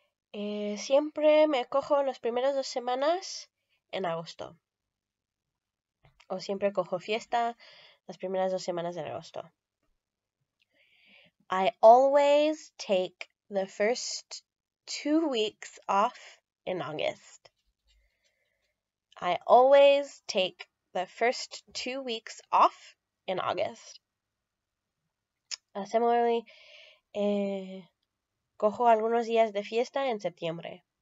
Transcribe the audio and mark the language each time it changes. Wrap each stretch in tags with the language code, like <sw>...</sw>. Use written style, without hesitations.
<es>Siempre me cojo las primeras 2 semanas en agosto. O siempre cojo fiesta las primeras 2 semanas en agosto.</es> <en>I always take the first 2 weeks off in August. I always take the first 2 weeks off in August. Similarly,</en> <es>cojo algunos días de fiesta en septiembre.</es>